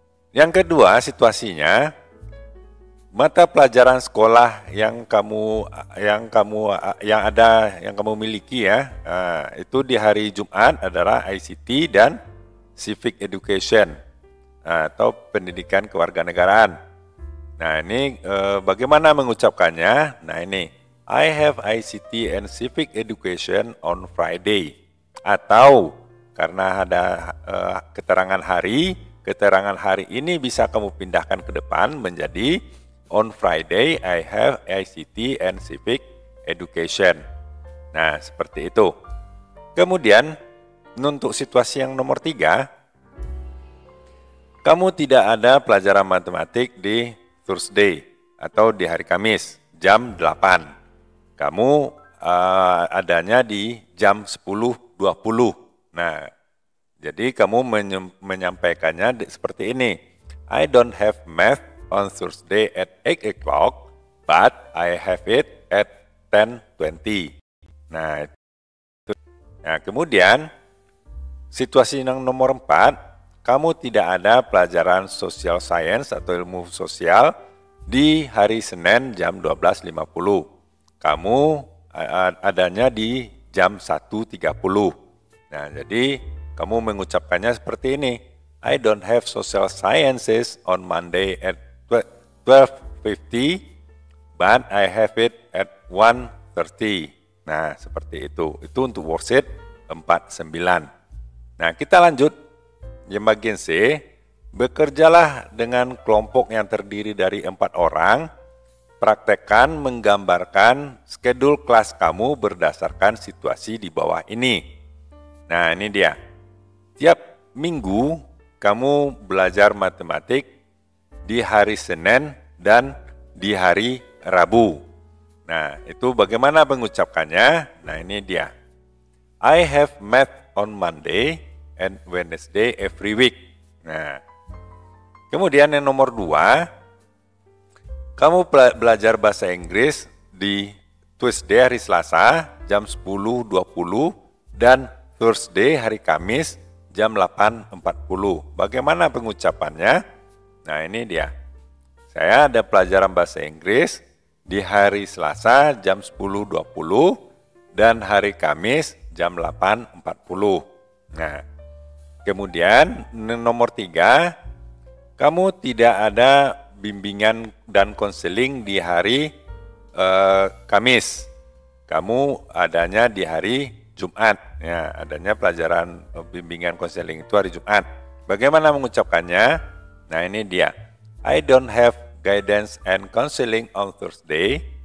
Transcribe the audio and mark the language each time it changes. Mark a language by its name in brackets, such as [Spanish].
[Indonesian] Yang kedua, situasinya, mata pelajaran sekolah yang kamu miliki, itu di hari Jumat adalah ICT dan Civic Education. Atau pendidikan kewarganegaraan. Nah, ini bagaimana mengucapkannya? Nah, ini [English] I have ICT and civic education on Friday. [Indonesian] Atau karena ada keterangan hari ini bisa kamu pindahkan ke depan menjadi [English] on Friday I have ICT and civic education. [Indonesian] Nah, seperti itu. Kemudian untuk situasi yang nomor 3, kamu tidak ada pelajaran matematik di Thursday atau di hari Kamis jam 8. Kamu adanya di jam 10.20. Nah, jadi kamu menyampaikannya seperti ini. [English] I don't have math on Thursday at 8 o'clock, but I have it at 10.20. [Indonesian] Nah, kemudian situasi yang nomor 4, kamu tidak ada pelajaran social science atau ilmu sosial di hari Senin jam 12.50. Kamu adanya di jam 1.30. Nah, jadi kamu mengucapkannya seperti ini. [English] I don't have social sciences on Monday at 12.50, but I have it at 1.30. [Indonesian] Nah, seperti itu. Itu untuk worksheet 49. Nah, kita lanjut. Yang bagian C, bekerjalah dengan kelompok yang terdiri dari 4 orang Praktekkan menggambarkan skedul kelas kamu berdasarkan situasi di bawah ini. Nah, ini dia. Tiap minggu kamu belajar matematik di hari Senin dan di hari Rabu. Nah, itu bagaimana mengucapkannya? Nah, ini dia. [English] I have math on Monday and Wednesday every week. [Indonesian] Nah, kemudian yang nomor 2, kamu belajar bahasa Inggris di Tuesday hari Selasa jam 10.20 dan Thursday hari Kamis jam 8.40. Bagaimana pengucapannya? Nah, ini dia. Saya ada pelajaran bahasa Inggris di hari Selasa jam 10.20 dan hari Kamis jam 8.40. Nah, kemudian nomor 3, kamu tidak ada bimbingan dan konseling di hari Kamis. Kamu adanya di hari Jumat. Ya, adanya pelajaran bimbingan konseling itu hari Jumat. Bagaimana mengucapkannya? Nah, ini dia. [English] I don't have guidance and counseling on Thursday.